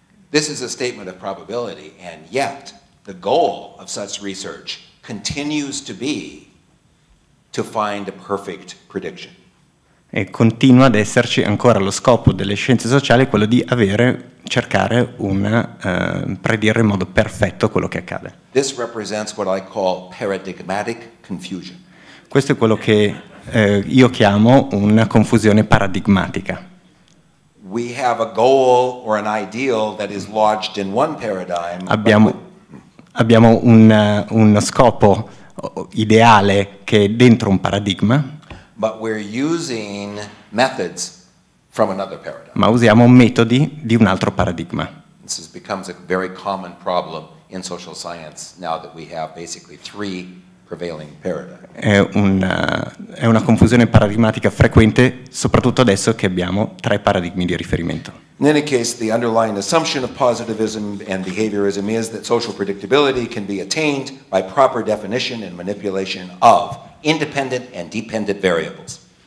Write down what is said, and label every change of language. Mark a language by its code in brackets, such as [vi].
[en] This is a statement of probability, and yet the goal of such research continues to be to find a perfect prediction. [it] E continua ad esserci ancora lo scopo delle scienze sociali quello di avere, cercare una predire in modo perfetto quello che accade. [en] This represents what I call paradigmatic confusion. [it] Questo è quello che io chiamo una confusione paradigmatica. [en] We have a goal or an ideal that is lodged in one paradigm. [it] Abbiamo un scopo ideale che è dentro un paradigma. [en] But we're using methods from another paradigm. [it] Ma usiamo metodi di un altro paradigma. [en] This has become a very common problem in social science now that we have basically three prevailing paradigms. [it] È una confusione paradigmatica frequente, soprattutto adesso che abbiamo tre paradigmi di riferimento. [en] In any case, the underlying assumption of positivism and behaviorism is that social predictability can be attained by proper definition and manipulation of independent and dependent variables.